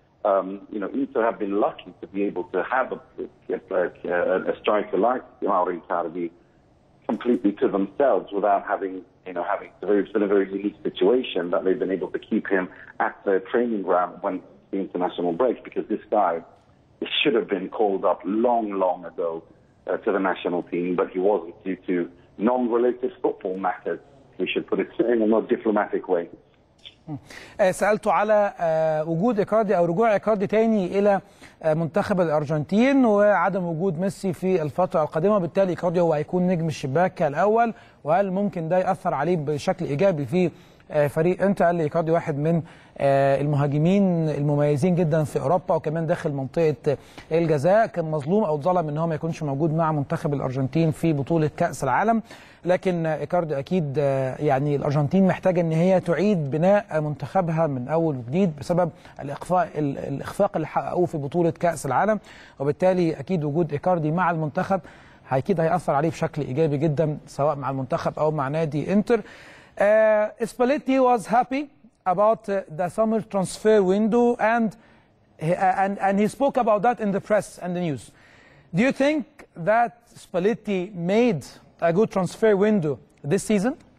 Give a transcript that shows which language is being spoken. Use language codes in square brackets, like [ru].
[en] You know, Inter have been lucky to be able to have a striker like Mauro Icardi completely to themselves without having, you know, having to, it's been a very unique situation that they've been able to keep him at the training ground when the international breaks, because this guy, he should have been called up long, long ago to the national team, but he wasn't due to non-related football matters. We should put it in a more diplomatic way. [ar] سألته على وجود إيكاردي أو رجوع إيكاردي تاني إلى منتخب الأرجنتين وعدم وجود ميسي في الفترة القادمة، بالتالي إيكاردي هو هيكون نجم الشباك الأول، وهل ممكن ده يأثر عليه بشكل إيجابي في فريق انتر؟ قال لي إيكاردي واحد من المهاجمين المميزين جدا في أوروبا وكمان داخل منطقة الجزاء، كان مظلوم أو اتظلم أنه ما يكونش موجود مع منتخب الأرجنتين في بطولة كأس العالم، لكن إيكاردي أكيد يعني الأرجنتين محتاجة أن هي تعيد بناء منتخبها من أول وجديد بسبب الإخفاق اللي حققوه في بطولة كأس العالم، وبالتالي أكيد وجود إيكاردي مع المنتخب أكيد هيأثر عليه بشكل إيجابي جدا سواء مع المنتخب أو مع نادي انتر. [en] Spalletti was happy about the summer transfer window and he spoke about that in the press and the news. Do you think that Spalletti made a good transfer window this season?